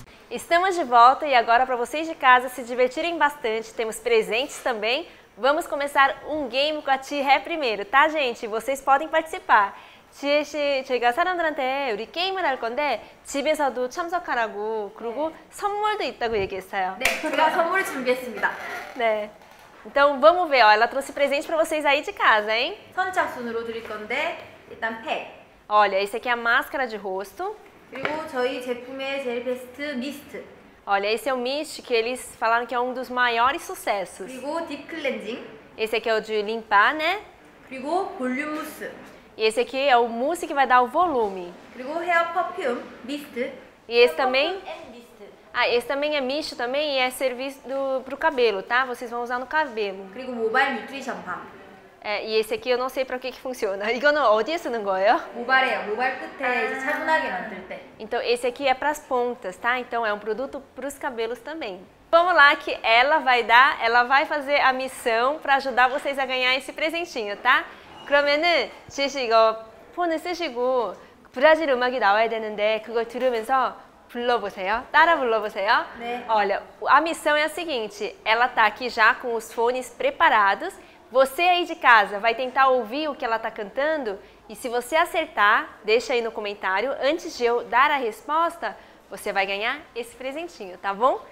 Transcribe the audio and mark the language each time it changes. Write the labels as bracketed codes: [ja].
[pt] Estamos de volta e agora para vocês de casa se divertirem bastante, temos presentes também. Vamos começar um game com a Tihé primeiro, tá gente? Vocês podem participar. [ko] Tihé, 저희가 사람들한테 우리 게임을 할 건데 집에서도 참석하라고 그리고 선물도 있다고 얘기했어요. 네, 제가 선물을 준비했습니다. 네. [pt] Então vamos ver, ó, ela trouxe presente para vocês aí de casa, hein? [ko] 선착순으로 드릴 건데 일단 팩. [pt] Olha, esse aqui é a máscara de rosto. [ko] 그리고 저희 제품의 제일 베스트 미스트. [pt] Olha, esse é o mist que eles falaram que é um dos maiores sucessos. [ko] 그리고 딥 클렌징. [pt] Esse aqui é o de limpar, né? [ko] 그리고 볼륨 무스. [pt] E esse aqui é o mousse que vai dar o volume. [ko] 그리고 헤어 퍼퓸 미스트. [pt] E esse também? Ah, esse também é mist também e é servido pro cabelo, tá? Vocês vão usar no cabelo. [ko] 그리고 모발 뉴트리션 밤. [pt] É, e esse aqui eu não sei pra que que funciona. [ko] 이거는 어디에 쓰는 거예요? 모발이에요. 모발 끝에 이제 차분하게 만들 때. [pt] Então esse aqui é pras pontas, tá? Então é um produto pros cabelos também. Vamos lá que ela vai dar, ela vai fazer a missão pra ajudar vocês a ganhar esse presentinho, tá? [ko] 그러면은 지혜씨 이거 폰을 쓰시고 브라질 음악이 나와야 되는데 그걸 들으면서 불러보세요. 따라 불러보세요. 네. [pt] Olha, a missão é a seguinte, ela tá aqui já com os fones preparados. Você aí de casa vai tentar ouvir o que ela tá cantando e se você acertar, deixa aí no comentário, antes de eu dar a resposta, você vai ganhar esse presentinho, tá bom?